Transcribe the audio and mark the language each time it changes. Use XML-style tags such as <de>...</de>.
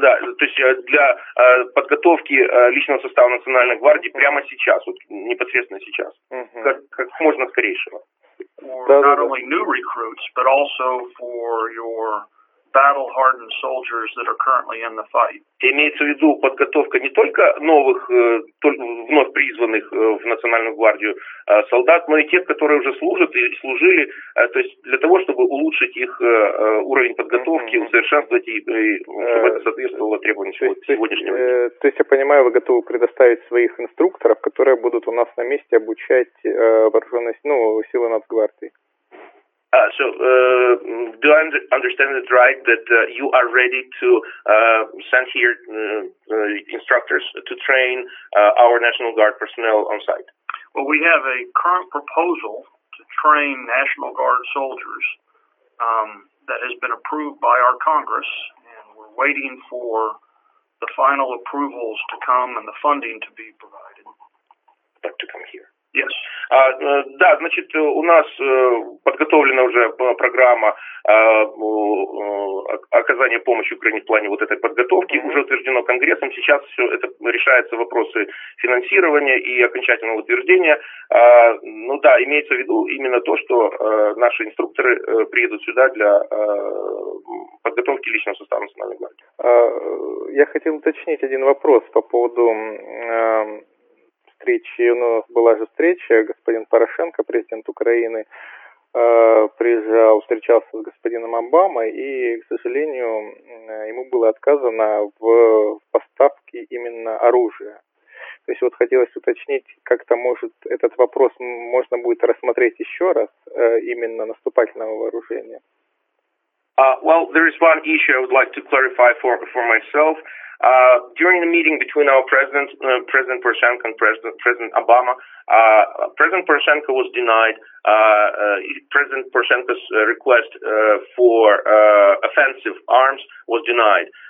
<ru>Да, то есть для подготовки личного состава Национальной гвардии прямо сейчас, вот непосредственно сейчас, как можно скорейшего.</ru> <en>For not only new recruits, but also for your battle-hardened soldiers that are currently in the fight.</en> <ru>Имеется в виду подготовка не только новых, вновь призванных в Национальную гвардию солдат, но и тех, которые уже служат и служили, то есть для того, чтобы улучшить их уровень подготовки, усовершенствовать, и чтобы это соответствовало требованиям сегодняшнего дня. То есть, я понимаю, вы готовы предоставить своих инструкторов, которые будут у нас на месте обучать вооруженность, ну, силы Нацгвардии?</ru> <en>Do I understand it right that you are ready to send here instructors to train our National Guard personnel on site? Well, we have a current proposal to train National Guard soldiers that has been approved by our Congress, and we're waiting for the final approvals to come and the funding to be provided. But to come here. Yes.</en> <ru>Да, значит, у нас подготовлена уже программа оказания помощи Украине в плане вот этой подготовки, уже утверждено Конгрессом, сейчас все это решается, вопросы финансирования и окончательного утверждения. Ну да, имеется в виду именно то, что наши инструкторы приедут сюда для подготовки личного состава Национальной гвардии. Я хотел уточнить один вопрос по поводу... встречи, ну, была же встреча, господин Порошенко, президент Украины, приезжал, встречался с господином Обамой, и, к сожалению, ему было отказано в поставке именно оружия. То есть вот хотелось уточнить, как-то может этот вопрос можно будет рассмотреть еще раз, именно наступательного вооружения.</ru> <en>Well, there is one issue I would like to clarify for myself. During the meeting between our president, President Poroshenko, and President Obama, President Poroshenko was denied President Poroshenko's request for offensive arms was denied.</en>